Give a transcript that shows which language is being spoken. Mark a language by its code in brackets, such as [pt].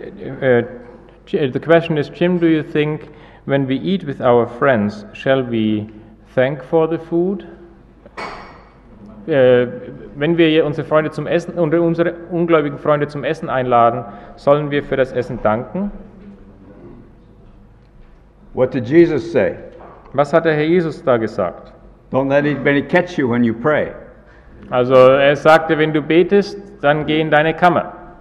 [en] The question is, Jim, do you think when we eat with our friends, shall we thank for the food? [de] Wenn wir unsere Freunde zum Essen und unsere ungläubigen Freunde zum Essen einladen, sollen wir für das Essen danken? [en] What did Jesus say? [de] Was hat der Herr Jesus da gesagt? [en] Don't let anybody catch you when you pray. [de] Also er sagte, wenn du betest, dann geh in deine Kammer.